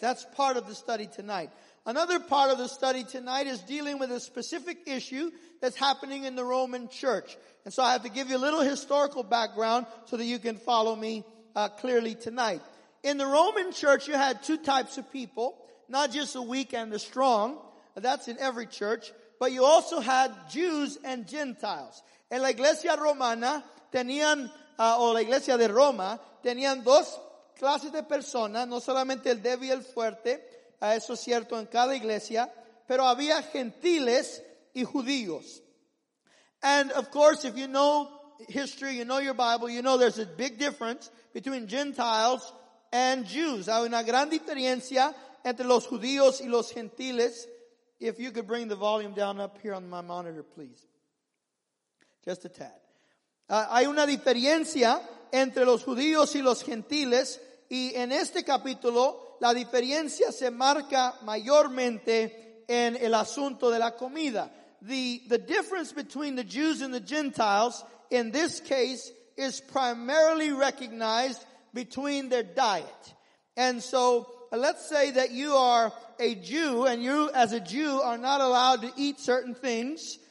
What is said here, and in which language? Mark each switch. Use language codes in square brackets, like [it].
[en] That's part of the study tonight. Another part of the study tonight is dealing with a specific issue that's happening in the Roman church. And so I have to give you a little historical background so that you can follow me clearly tonight. In the Roman church, you had two types of people, not just the weak and the strong. That's in every church. But you also had Jews and Gentiles. [es] En la iglesia romana, la iglesia de Roma, tenían dos clases de personas, no solamente el débil y el fuerte, eso es cierto en cada iglesia, pero había gentiles y judíos. [en] And of course, if you know history, you know your Bible, you know there's a big difference between Gentiles and Jews. [es] Hay una gran diferencia entre los judíos y los gentiles. [en] If you could bring the volume down up here on my monitor, please. Just a tad. [es] Hay una diferencia entre los judíos y los gentiles, y en este capítulo la diferencia se marca mayormente en el asunto de la comida. [en] The difference between the Jews and the Gentiles in this case is primarily recognized between their diet. And so let's say that you are a Jew and you as a Jew are not allowed to eat certain things.